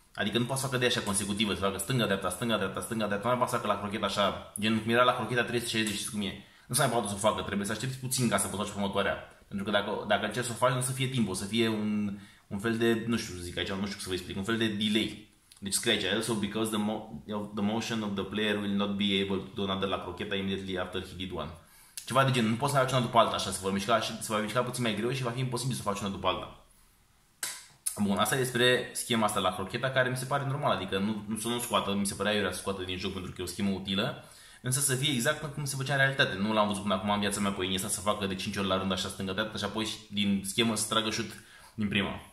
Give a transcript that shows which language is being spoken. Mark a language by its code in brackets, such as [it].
[ro] Adică nu poate să facă de așa consecutivă, să facă stânga-dreapta, stânga-dreapta, stânga-dreapta, nu mai poate să facă la crocheta așa, gen cum era la crocheta 360, știți cum e. Nu s-a mai poate să o facă, trebuie să aștepți puțin ca să poți face următoarea. Pentru că dacă încerci să o faci, nu o să fie timp, o să fie un fel de, nu știu, zic aici, nu știu cum să vă explic, un fel de delay. Deci scrie aici, [en] also because the motion of the player will not be able to do another la crocheta immediately after he did one. [ro] Ceva de gen, nu poți să faci una după alta așa, se va mișca puțin mai greu și va fi imposibil să faci una după alta. Bun, asta e despre schema asta la crocheta, care mi se pare normal, adică nu scoată, mi se părea iurea să scoată din joc pentru că e o schemă utilă, însă să fie exact cum se făcea în realitate. Nu l-am văzut până acum în viața mea pe Iniesta să facă de 5 ori la rând așa stângă dreapta și apoi din schemă să tragă șut din prima.